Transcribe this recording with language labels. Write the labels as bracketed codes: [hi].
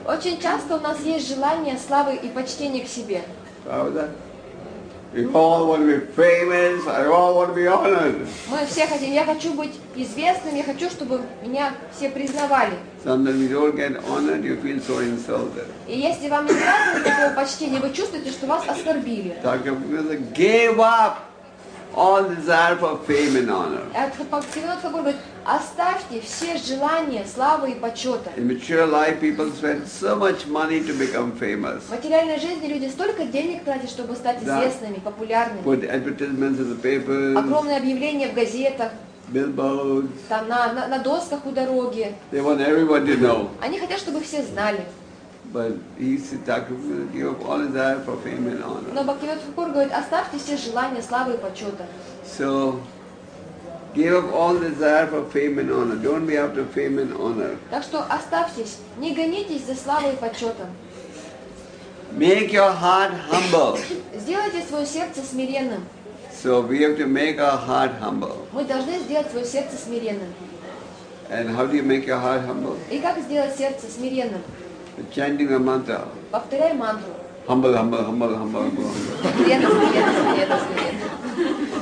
[ru] Очень часто у нас есть желание славы и почтения к себе. Правда? [en] We all want to be famous. I all want to be honored. [ru] Мы все хотим. Я хочу быть известным. Я хочу, чтобы меня все признавали. [en] Sometimes you don't get honored, you feel so insulted. [ru] И если вам не нравится такое почтение, вы чувствуете, что вас оскорбили. Так я [en] gave up all desire for fame and honor. [ru] Оставьте все желания славы и почета. [en] In mature life, people spend so much money to become famous. [ru] В материальной жизни люди столько денег тратят, чтобы стать известными, популярными. [en] Put advertisements in the papers. [ru] Огромные объявления в газетах. [en] Billboards. [ru] Там на досках у дороги. [en] They want everyone to know. [ru] Они хотят, чтобы все знали. [en] But he said, "Thakur, give up all desire for fame and honor." [ru] Но Бхактивинода Тхакур говорит, оставьте все желания славы и почета. [en] So, give up all desire for fame and honor. Don't be after fame and honor. [ru] Так что оставьтесь, не гонитесь за славой и почетом. [en] Make your heart humble. [ru] Сделайте свое сердце смиренным. [en] So we have to make our heart humble. [ru] Мы должны сделать свое сердце смиренным. [en] And how do you make your heart humble? [ru] И как сделать сердце смиренным? [en] Chanting a mantra. [ru] Повторяй мантру. [en] Humble, humble, humble, humble, humble. [ru] Смиренно, смиренно, смиренно, смиренно.